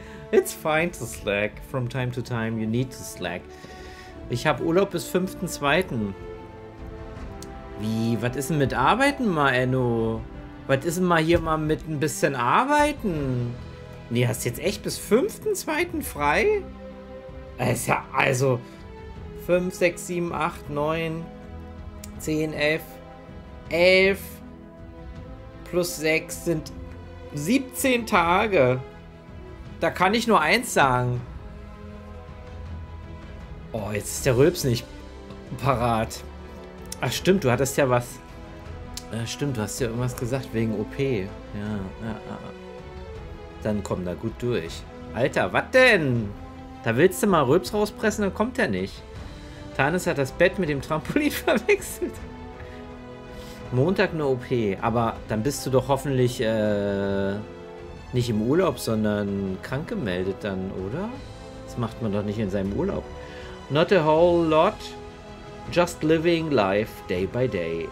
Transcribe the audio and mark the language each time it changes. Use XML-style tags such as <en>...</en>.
<en>It's fine to slack from time to time, you need to slack.</en> <de>Ich habe Urlaub bis 5.2. Wie, was ist denn mit Arbeiten mal, Enno? Was ist denn mal hier mal mit ein bisschen Arbeiten? Nee, hast jetzt echt bis 5.2. frei? Ist ja also 5, 6, 7, 8, 9, 10, 11, 11 plus 6 sind 17 Tage. Da kann ich nur eins sagen. Oh, jetzt ist der Rülps nicht parat. Ach stimmt, du hattest ja was. Stimmt, du hast ja irgendwas gesagt wegen OP. Ja. Dann komm da gut durch. Alter, was denn? Da willst du mal Rülps rauspressen, dann kommt er nicht. Thanis hat das Bett mit dem Trampolin verwechselt. Montag nur OP. Aber dann bist du doch hoffentlich nicht im Urlaub, sondern krank gemeldet dann, oder? Das macht man doch nicht in seinem Urlaub.</de> <en>Not a whole lot, just living life day by day.</en>